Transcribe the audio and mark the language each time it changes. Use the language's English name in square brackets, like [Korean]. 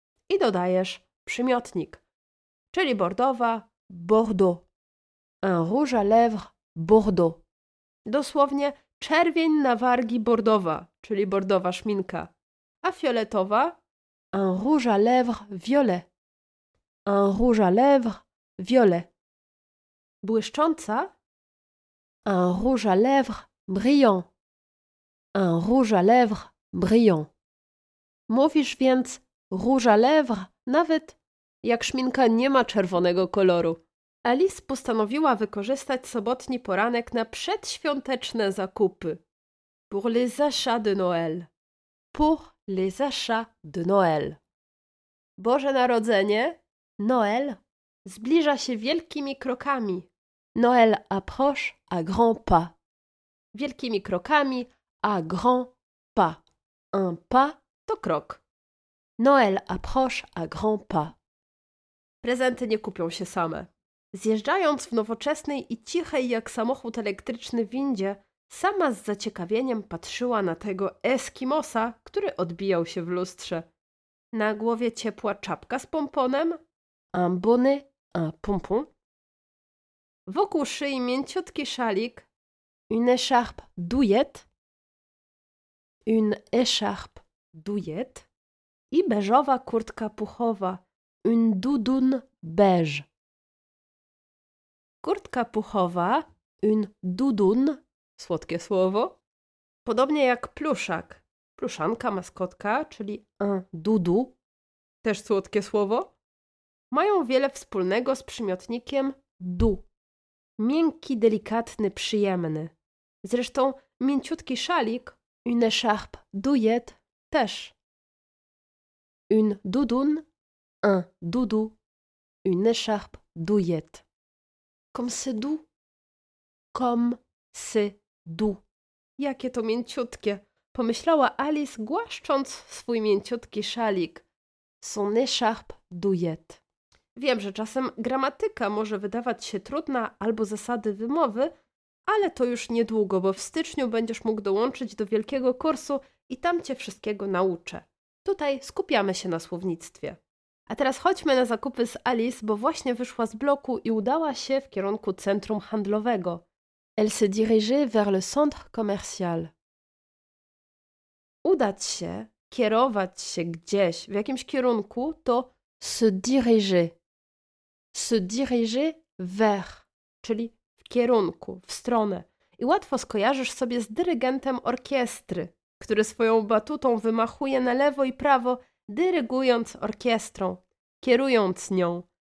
[Polish] I dodajesz przymiotnik. Czyli bordowa, Bordeaux. [French] Un rouge à lèvres, Bordeaux. [Polish] Dosłownie czerwień na wargi bordowa, czyli bordowa szminka. A fioletowa? [French] Un rouge à lèvres, violet. Un rouge à lèvres, violet. [Polish] Błyszcząca? [French] Un rouge à lèvres, brillant. Un rouge à lèvres, brillant. [Polish] Mówisz więc [French] rouge à lèvres [Polish] nawet jak szminka nie ma czerwonego koloru. Alice postanowiła wykorzystać sobotni poranek na przedświąteczne zakupy. [French] Pour les achats de Noël. Pour les achats de Noël. [Polish] Boże Narodzenie, Noël, zbliża się wielkimi krokami. [French] Noël approche à grand pas. [Polish] Wielkimi krokami, [French] à grand pas. Un pas [Polish] to krok. [French] Noël approche à grand pas. [Polish] Prezenty nie kupią się same. Zjeżdżając w nowoczesnej i cichej jak samochód elektryczny windzie, sama z zaciekawieniem patrzyła na tego Eskimosa, który odbijał się w lustrze. Na głowie ciepła czapka z pomponem. [French] Un bonnet, un pompon. [Polish] Wokół szyi mięciutki szalik. [French] Une écharpe douillette. Une écharpe douillette. [Polish] I beżowa kurtka puchowa. [French] Une doudoune beige. [Polish] Kurtka puchowa, [French] une doudoune, [Polish] słodkie słowo, podobnie jak pluszak, pluszanka, maskotka, czyli [French] un doudou, [Polish] też słodkie słowo, mają wiele wspólnego z przymiotnikiem [French] dou, [Polish] Miękki, delikatny, przyjemny. Zresztą mięciutki szalik, [French] une écharpe douillette, [Polish] też. [French] Une doudoune, un doudou, une écharpe douillette. Comme c'est doux. Comme c'est doux. [Polish] Jakie to mięciutkie, pomyślała Alice, głaszcząc swój mięciutki szalik. [French] Son écharpe douillette. [Polish] Wiem, że czasem gramatyka może wydawać się trudna albo zasady wymowy, ale to już niedługo, bo w styczniu będziesz mógł dołączyć do wielkiego kursu i tam cię wszystkiego nauczę. Tutaj skupiamy się na słownictwie. A teraz chodźmy na zakupy z Alice, bo właśnie wyszła z bloku i udała się w kierunku centrum handlowego. [French] Elle se dirige vers le centre commercial. [Polish] Udać się, kierować się gdzieś, w jakimś kierunku, to [French] se diriger. Se diriger vers, [Polish] czyli w kierunku, w stronę. I łatwo skojarzysz sobie z dyrygentem orkiestry, który swoją batutą wymachuje na lewo i prawo, dyrygując orkiestrą, kierując nią.